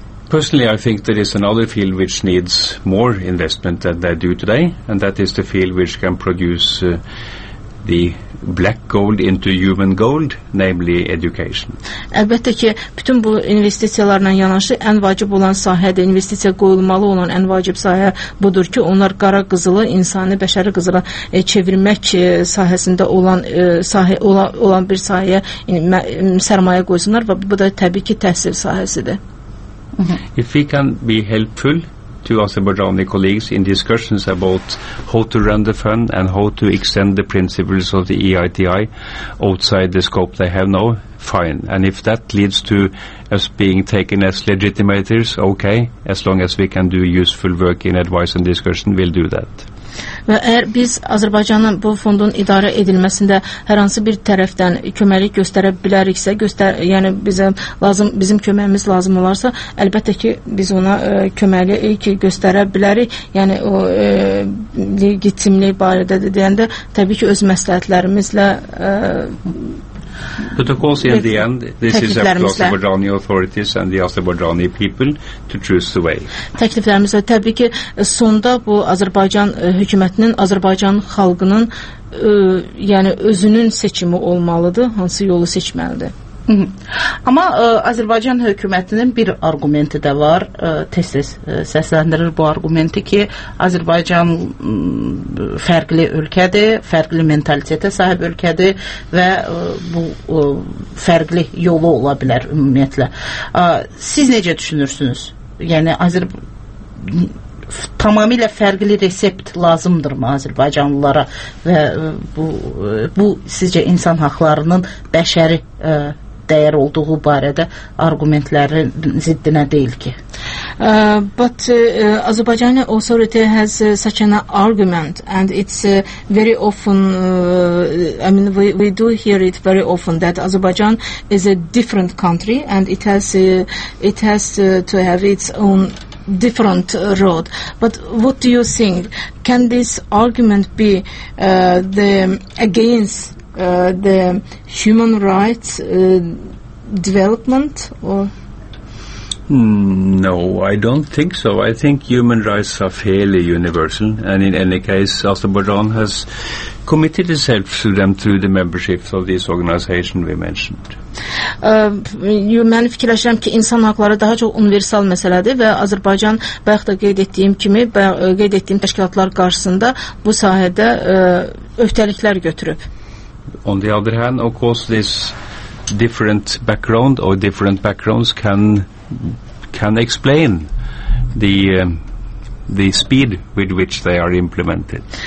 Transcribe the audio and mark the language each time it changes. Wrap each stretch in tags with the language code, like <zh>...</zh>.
<en>Personally, I think there is another field which needs more investment than they do today, and that is the field which can produce the black gold into human gold, namely education.</en> <az>Əlbəttə ki, bütün bu investisiyalarla yanaşı ən vacib olan sahədə investisiya qoyulmalı olan ən vacib sahə budur ki, onlar qara qızılı insanı bəşəri qızıla çevirmək sahəsində olan olan bir sahəyə sərmayə qoysunlar və bu da təbii ki, təhsil sahəsidir.</az> <en>If we can be helpful to Azerbaijani colleagues in discussions about how to run the fund and how to extend the principles of the EITI outside the scope they have now, fine. And if that leads to us being taken as legitimators, okay. As long as we can do useful work in advice and discussion, we'll do that.</en> <az>Və əgər biz Azərbaycanın bu fondun idarə edilməsində hər hansı bir tərəfdən köməklik göstərə biləriksə, yəni bizim köməyimiz lazım olarsa, əlbəttə ki, biz ona köməklik göstərə bilərik. Yəni o legitimlik barədə deyəndə təbii ki, öz məsləhətlərimizlə</az> <en>Protocols in the end, this is up to Azerbaijani authorities and the Azerbaijani people to choose the way.</en> <az>Təkliflərimizə təbii ki, sonda bu Azərbaycan hökumətinin, Azərbaycan xalqının yəni özünün seçimi olmalıdır, hansı yolu seçməlidir. Amma Azərbaycan hökumətinin bir arqumenti də var, tez-tez səsləndirir bu arqumenti ki, Azərbaycan fərqli ölkədir, fərqli mentalitetə sahib ölkədir və bu fərqli yolu ola bilər ümumiyyətlə. Siz necə düşünürsünüz? Yəni, tamamilə fərqli resept lazımdırmı Azərbaycanlılara və bu sizcə insan haqlarının bəşəri dəyər olduğu barədə argumentlərin ziddinə deyil ki.</az> <en>But Azerbaijani authority has such an argument, and it's very often, we do hear it very often, that Azerbaijan is a different country and it has to have its own different road. But what do you think? Can this argument be against the human rights development or? No, I don't think so. I think human rights are fairly universal, and in any case, Azerbaijan has committed itself to them through the membership of this organization we mentioned.</en> <az>Mən fikirləşirəm ki, insan haqları daha çox universal məsələdir və Azərbaycan, bayaq da qeyd etdiyim kimi, qeyd etdiyim təşkilatlar qarşısında bu sahədə öhdəliklər götürüb.</az> <en>On the other hand, of course, this different backgrounds can explain the speed with which they are implemented.</en>